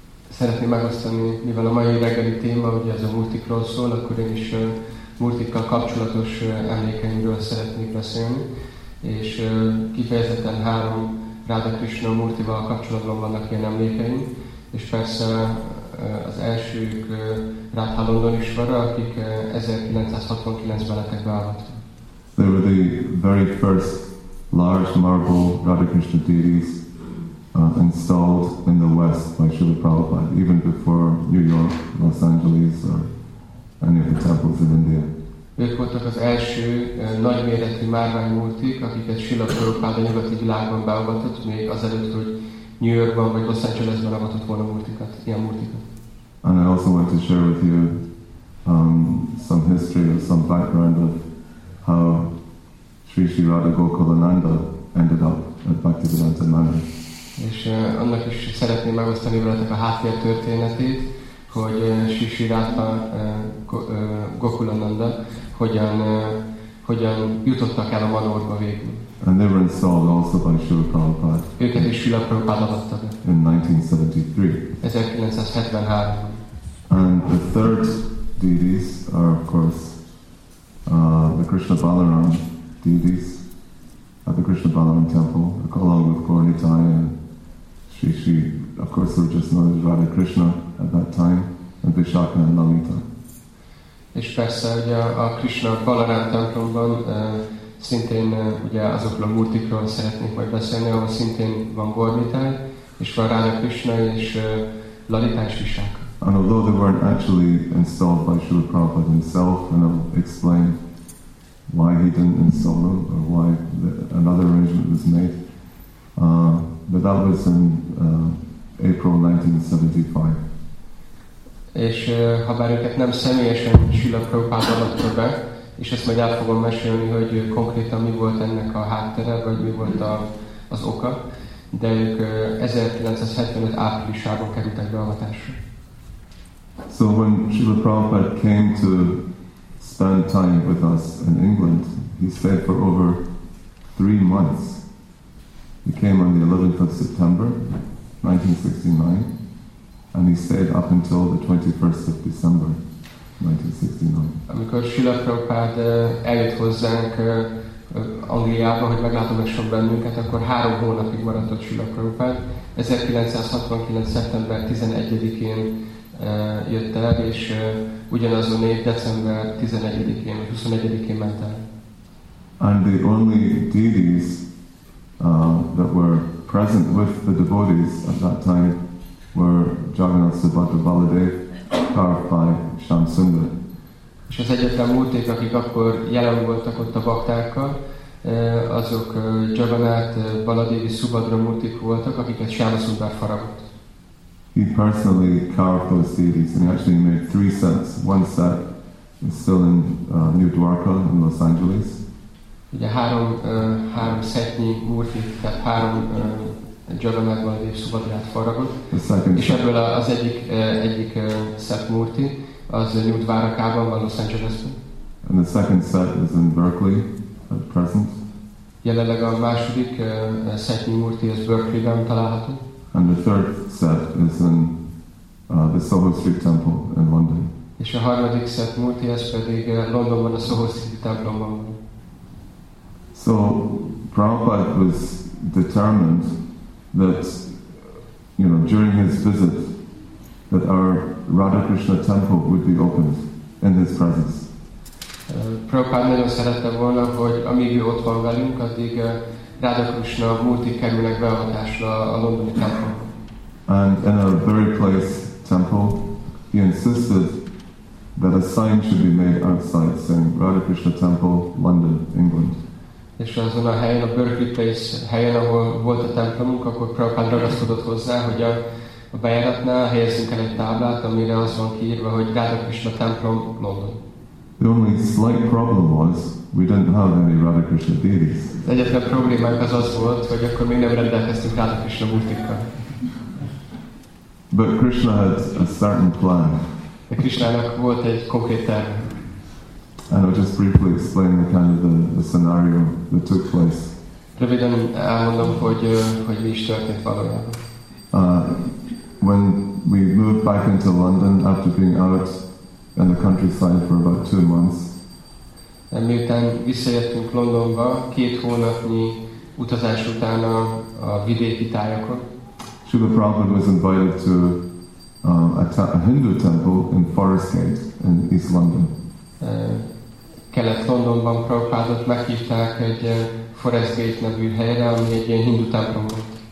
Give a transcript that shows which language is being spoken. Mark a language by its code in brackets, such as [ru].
[hu] Szeretném megosztani, mivel a mai reggeli téma, ugye ez a multikról szól, akkor én is multikkal kapcsolatos emlékeimről szeretnék beszélni, és kifejezetten három Radha Krishna multival kapcsolatban vannak ilyen emlékeim, és persze az elsőjük Radha Landanishwara, akik 1969-ben lettek beállítva. [en] They were the very first large marble Radha Krishna deities installed in the West by Srila Prabhupada, even before New York, Los Angeles, or any of the temples in India. [hu] Ők voltak az első nagyméretű márvány múltik, akiket Srila Prabhupada nyugati világban beavatott, még azelőtt, hogy New Yorkban vagy Los Angelesben avatott volna múltikat, ilyen múltikat. [en] And I also want to share with you some history or some background of how Sri Sri Radha Gokulananda ended up at Bhaktivedanta Manor. [hu] És annak is szeretném megosztani veletek a háttér történetét, hogy Sri Sri Radha Gokulananda hogyan jutottak el a manorba végül. [en] And they were installed also by Srila Prabhupada. [hu] Őket is Srila Prabhupada adatta be. [en] In 1973. And the third deities are, of course, the Krishna Balaram deities at the Krishna Balaram temple, along with Gaurini Thai and Sri Sri, of course, who were just known as Radha Krishna at that time, and Vishakha and Lalita. [hu] És persze, ugye a Krishna Balaram templomban szintén ugye azokról a múltikról szeretnék majd beszélni, ahol szintén van Gaurini Thai, és van Radha Krishna és Lalita és Vishakha. [en] And although they weren't actually installed by Srila Prabhupada himself, and I'll explain why he didn't install them, or why another arrangement was made, but that was in April 1975. [hu] És habár őket nem személyesen Srila Prabhupada adta be, és ezt majd el fogom mesélni, hogy konkrétan mi volt ennek a háttere, vagy mi volt az oka, de ők 1975 áprilisában kerültek beavatásra. [en] So when Srila Prabhupada came to spend time with us in England, he stayed for over 3 months. He came on the 11th of September, 1969, and he stayed up until the 21st of December, 1969. [hu] Amikor Srila Prabhupada eljött hozzánk Angliába, hogy meglátogasson bennünket, akkor 3 hónapig maradt ott Srila Prabhupada. 1969. szeptember 11-én jött el, és ugyanazon év december 11-én, 21-én ment el. [en] And the only deities that were present with the devotees at that time were Jagannath Subhadra Baladev, Karpai, Shamsundar. [hu] És az egyetlen múlték, akik akkor jelen voltak ott a baktákkal, azok Jagannath, Baladev és Subhadra múlték voltak, akiket Shamsundar faragott. [en] He personally carved those deities, and he actually made 3 sets. One set is still in New Dwarka in Los Angeles. [hu] Ugye három setnyi murti, tehát három Jagannath Baladev Subhadrát faragott. [en] The second [hu] set. És ebből az egyik set murti, az New Dwarkában van Los Angelesben. [en] And the second set is in Berkeley at present. [hu] Jelenleg a második setnyi murti az Berkeleyben található. [en] And the third set is in the Soho Street Temple in London. [hu] És a harmadik set múlti, ez pedig Londonban a Soho Street templomban. [en] So Prabhupada was determined that, you know, during his visit, that our Radha Krishna temple would be opened in his presence. [hu] Prabhupada nagyon szerette volna, hogy amíg ő ott van velünk, addig Radha Krishna múlti kerülnek beavatásra a londoni templomban. [en] And in a very place temple, he insisted that a sign should be made outside saying Radha Krishna Temple, London, England. [hu] És azon a helyen, a Berkeley Place helyen, ahol volt a templomunk, akkor Prabhupada ragaszkodott hozzá, hogy a bejáratnál helyezzünk el egy táblát, amire az van kiírva, hogy Radha Krishna Temple, London. [en] The only slight problem was we didn't have any Radha Krishna deities. [hu] Egyetlen problémánk az volt, hogy akkor még nem rendelkeztünk Radha Krishna murtikkal. [en] But Krishna had a certain plan. [hu] De Krishnának volt egy konkrét terv. [en] And I'll just briefly explain the kind of the scenario that took place. [hu] Röviden elmondom, hogy mi is történt valójában. [en] When we moved back into London after being out in the countryside for about 2 months. [hu] And miután visszajöttünk Londonba, 2 hónapnyi utazás után a vidéki tájakon. [en] Srila Prabhupada was invited to a Hindu temple in Forest Gate in East London. [hu] Kelet Londonban Prabhupádot meghívták egy Forest Gate nevű helyre, ami egy ilyen hindu templom volt.